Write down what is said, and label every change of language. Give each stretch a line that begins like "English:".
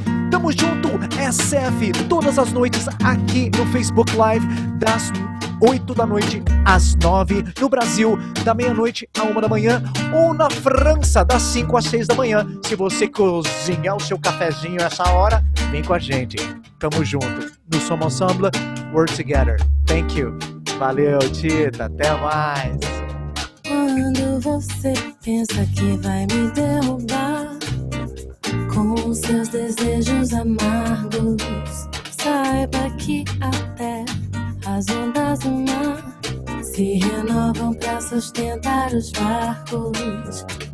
Portuguese: Tamo junto, SF, todas as noites aqui no Facebook Live, das 8 da noite às 9, no Brasil, da meia-noite à 1 da manhã, ou na França, das 5 às 6 da manhã. Se você cozinhar o seu cafezinho essa hora, vem com a gente. Tamo junto.
English: No Som Ensemble, we're together. Thank you.
Portuguese: Valeu, Tita. Até mais. Quando você pensa que vai me derrubar, com seus desejos amargos, saiba que até as ondas do mar se renovam pra sustentar os barcos.